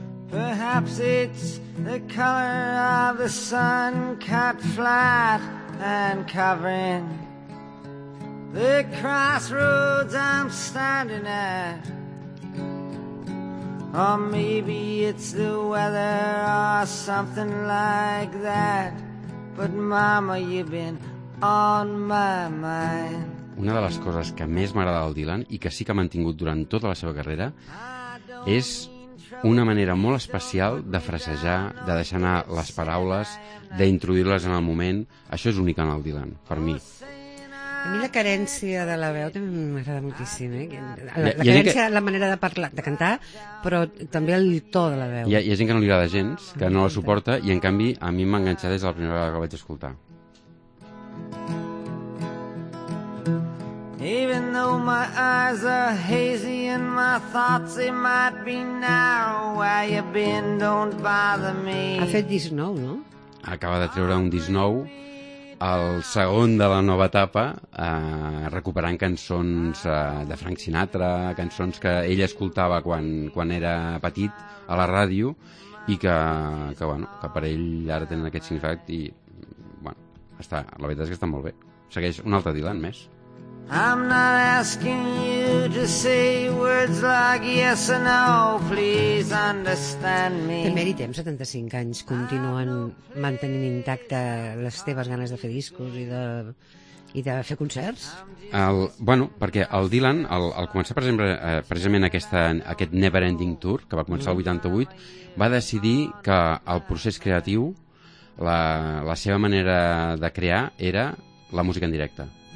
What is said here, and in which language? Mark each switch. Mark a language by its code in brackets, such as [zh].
[en] Perhaps it's the color of the sun cut flat and covering the crossroads I'm standing at. Or maybe it's the weather or something like that. But Mama, you've been on my mind. [ca] Una de les coses que més m'agrada del Dylan i que sí que ha mantingut durant tota la seva carrera és una manera molt especial de frasejar, de deixar anar les paraules, d'introduir-les en el moment. Això és únic en el Dylan, per mi. A mi la carència de la veu també m'agrada moltíssim, eh? La carència, la manera de parlar, de cantar, però també el to de la veu. Hi ha gent que no li agrada gens, que no la suporta, i en canvi a mi m'ha enganxat des de la primera vegada que la vaig escoltar. [en] Even though my eyes are hazy and my thoughts they might be now. Where you been, don't bother me. [ca] Ha fet 19, no? Acaba de treure un 19, el segon de la nova etapa, recuperant cançons de Frank Sinatra, cançons que ell escoltava quan era petit a la ràdio i que bueno, que per ell ara tenen aquest significat i bueno, està, la veritat és que està molt bé. Segueix un altre Dylan més. [en] I'm not asking you to say words like yes or no, please understand me. [ca] Té mèrit, 75 anys, continuen mantenint intacte les teves ganes de fer discos i de fer concerts? Bueno, perquè el Dylan, al començar, per exemple, precisament aquest Never Ending Tour, que va començar el 88, va decidir que el procés creatiu, la seva manera de crear, era la música en directe.